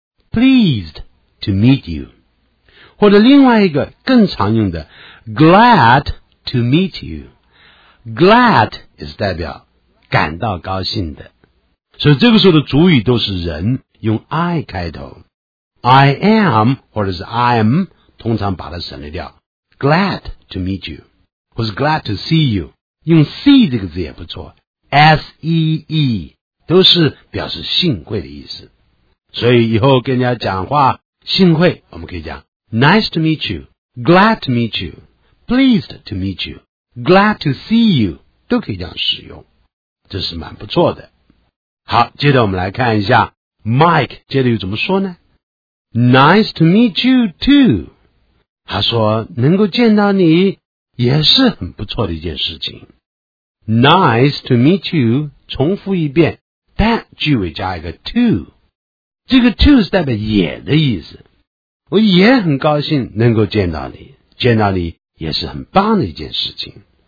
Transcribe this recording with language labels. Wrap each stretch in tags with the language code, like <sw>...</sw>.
<en>pleased to meet you,</en> <zh>或者另外一个更常用的</zh> <en>glad to meet youGlad is</en> <zh>代表感到高兴的，所以这个时候的主语都是人，用 I 开头， I am 或者是 I'm 通常把它省略掉，</zh> <en>Glad to meet you</en> <zh>或是</zh> <en>Glad to see you,</en> <zh>用 see 这个字也不错， S-E-E 都是表示幸会的意思。所以以后跟人家讲话幸会，我们可以讲</zh> <en>Nice to meet you, Glad to meet you, Pleased to meet youGlad to see you,</en> <zh>都可以这样使用，这是蛮不错的。好，接着我们来看一下 Mike 接着又怎么说呢？</zh> <en>Nice to meet you too,</en> <zh>他说能够见到你也是很不错的一件事情。</zh> <en>Nice to meet you,</en> <zh>重复一遍，但句尾加一个 to, 这个 to 是代表也的意思，我也很高兴能够见到你，见到你也是很棒的一件事情。</zh>